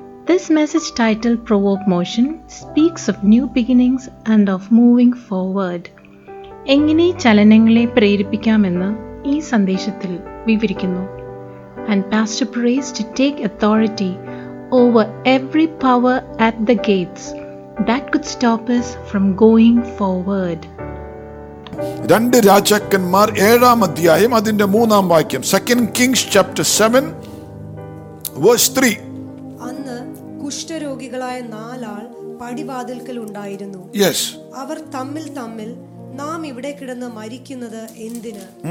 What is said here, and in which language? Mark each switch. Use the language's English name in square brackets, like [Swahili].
[English] This message titled Provoke Motion speaks of new beginnings and of moving forward. [Malayalam] എങ്ങനെ ചലനങ്ങളെ പ്രേരിപ്പിക്കാമെന്ന് ഈ സന്ദേശത്തിൽ വിവരിക്കുന്നു. [English] And Pastor prays to take authority over every power at the gates that could stop us from going forward. [Malayalam] രണ്ട് രാജാക്കന്മാർ ഏഴാം അധ്യായം അതിന്റെ മൂന്നാം വാക്യം, [English] 2 Kings chapter 7 verse 3. [Malayalam] അന്ന് കുഷ്ഠരോഗികളായ നാലാൾ പടിവാതിൽക്കൽ ഉണ്ടായിരുന്നു. [English] Yes. [Malayalam] അവർ തമ്മിൽ നാം ഇവിടെ കിടന്ന് മരിക്കുന്നത് എന്തിന്?